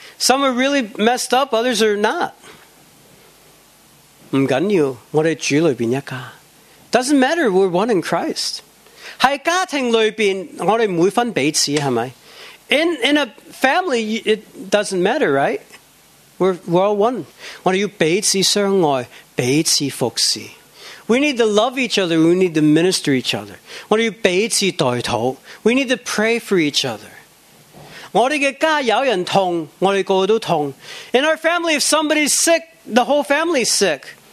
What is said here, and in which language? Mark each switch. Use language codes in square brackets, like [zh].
[en] Some are really messed up, others are not. [zh] 不要緊,我們主裡面一家。 [en] Doesn't matter, we're one in Christ. [zh] 在家庭裡面,我們不會分彼此,是不是? [en] In a family, it doesn't matter, right? We're all one. [zh] 我們要彼此相愛,彼此服侍。 [en] We need to love each other, we need to minister each other. [zh] 我們要彼此代禱, [en] we need to pray for each other. [zh] 我們的家有人痛,我們個個都痛。 [en] In our family, if somebody's sick, the whole family's sick.